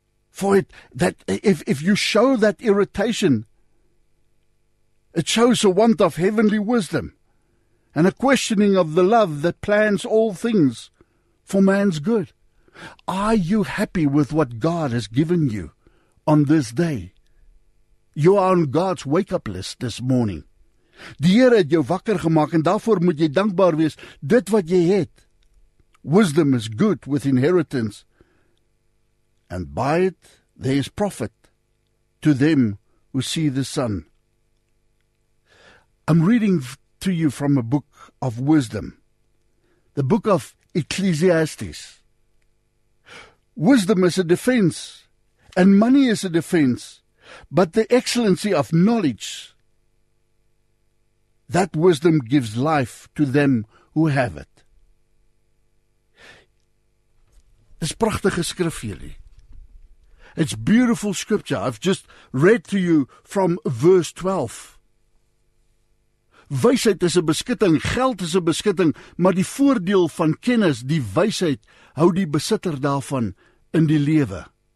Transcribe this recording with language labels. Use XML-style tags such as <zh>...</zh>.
<en>For it, that if you show that irritation, it shows a want of heavenly wisdom and a questioning of the love that plans all things for man's good. Are you happy with what God has given you on this day? You are on God's wake-up list this morning.</en> <af>Die Here het jou wakker gemaak en daarvoor moet jy dankbaar wees dit wat jy het.</af> <en>Wisdom is good with inheritance, and by it there is profit to them who see the sun. I'm reading to you from a book of wisdom, the book of Ecclesiastes. Wisdom is a defense, and money is a defense, but the excellency of knowledge, that wisdom gives life to them who have it.</en> <af>Dis pragtige skrif vir julle.</af> <en>It's beautiful scripture. I've just read to you from verse 12.</en> <af>Wysheid is 'n beskitting, geld is 'n beskitting, maar die voordeel van kennis, die wysheid, hou die besitter daarvan in die lewe.</af>